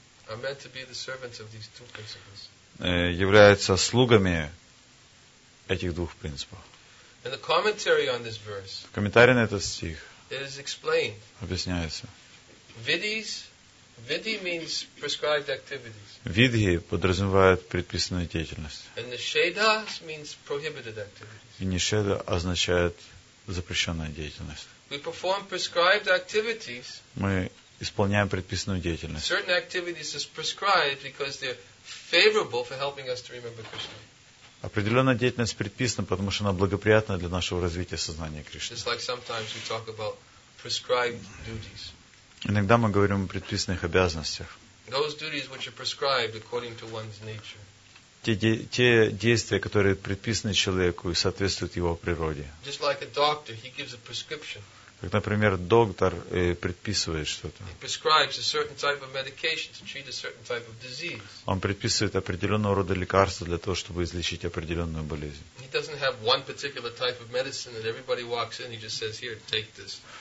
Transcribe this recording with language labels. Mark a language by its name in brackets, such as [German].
[English] I'm meant to be the servant of these two principles. [Russian] Являются слугами этих двух принципов. [English] In the commentary on this verse, [Russian] в комментарии на этот стих [English] it is explained, [Russian] объясняется, [English] Vidhis. Vidhi means prescribed activities. [Russian] Vidhi подразумевает предписанную деятельность. [English] And nishedhas means prohibited activities. [Russian] Нишеда означает запрещенная деятельность. [English] We perform prescribed activities. [Russian] Мы исполняем предписанную деятельность. [English] Certain activities is prescribed because they're favorable for helping us to remember Krishna. [Russian] Определенная деятельность предписана, потому что она благоприятна для нашего развития сознания Кришны. [English] Just like sometimes we talk about prescribed duties. [Russian] Иногда мы говорим о предписанных обязанностях. [English] Those duties which are prescribed according to one's nature. [Russian] Те действия, которые предписаны человеку и соответствуют его природе. [English] Just like a doctor, he gives a prescription. [Russian] Как, например, доктор предписывает что-то. [English] He prescribes a certain type of medication to treat a certain type of disease. [Russian] Он предписывает определенного рода лекарства для того, чтобы излечить определенную болезнь. [English] He doesn't have one particular type of medicine that everybody walks in, he just says, here, take this.